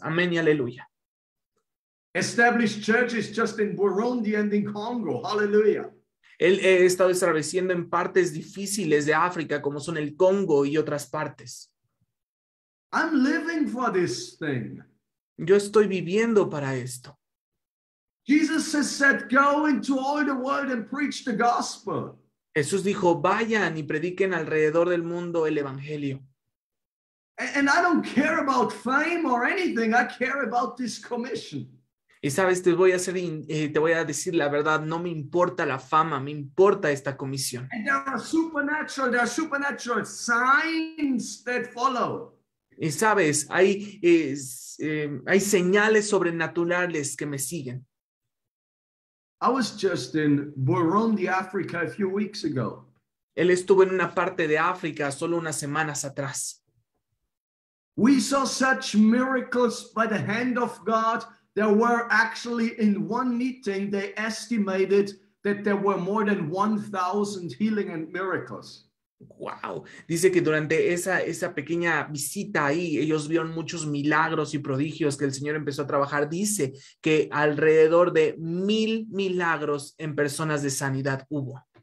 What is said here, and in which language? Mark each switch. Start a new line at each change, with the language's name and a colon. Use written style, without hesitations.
Spanish: Amén y aleluya.
English: Established churches just in Burundi and in Congo. Hallelujah.
Spanish: Él ha estado estableciendo en partes difíciles de África, como son el Congo y otras partes.
English: I'm living for this thing.
Spanish: Yo estoy viviendo para esto.
English: Jesus has said, go into all the world and preach the gospel.
Spanish: Jesús dijo, vayan y prediquen alrededor del mundo el evangelio.
English: And I don't care about fame or anything. I care about this commission.
Spanish: Y sabes, te voy a decir la verdad, no me importa la fama, me importa esta comisión.
English: And there are supernatural signs that follow.
Spanish: Y sabes, hay señales sobrenaturales que me siguen.
English: I was just in Burundi, Africa a few weeks ago.
Spanish: Él estuvo en una parte de África solo unas semanas atrás.
English: We saw such miracles by the hand of God. There were actually in one meeting, they estimated that there were more than 1,000 healing and miracles. Wow.
Spanish: Dice que durante esa pequeña visita ahí, ellos vieron muchos milagros y prodigios que el Señor empezó a trabajar. Dice que alrededor de 1,000 milagros en personas de sanidad hubo.